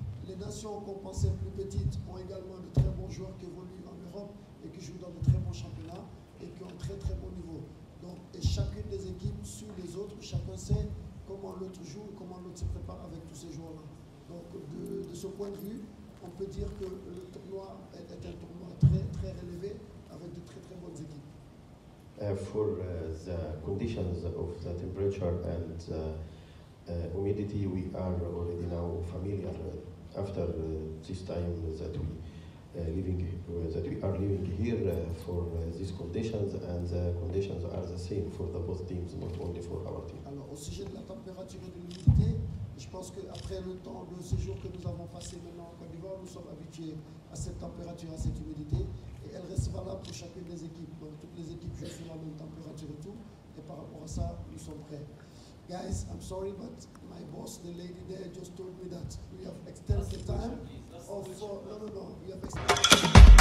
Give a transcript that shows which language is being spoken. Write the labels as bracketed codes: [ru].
[fr] Les nations qu'on pensait plus petites ont également de très bons joueurs qui évoluent en Europe et qui jouent dans de très bons championnats et qui ont un très très bon niveau. Donc, et chacune des équipes suit les autres. Chacun sait comment l'autre joue et comment l'autre se prépare avec tous ces joueurs-là. Donc, de ce point de vue, on peut dire que le tournoi est un tournoi très très relevé avec de très très bonnes équipes. [en] For the conditions of the temperature and humidity, we are already now familiar after this time that we are living here for these conditions, and the conditions are the same for the both teams, not only for our team. [fr] Alors, au sujet de la température et de l'humidité, je pense que après le temps, le séjour que nous avons passé maintenant en Côte d'Ivoire, nous sommes habitués à cette température, à cette humidité. Elle reste valable pour chacune des équipes. Donc toutes les équipes jouent sur la même température et tout. Et par rapport à ça, nous sommes prêts. [en] Guys, I'm sorry, but my boss, the lady there, just told me that we have extended the time. Oh, no, no, no. We have extended the time.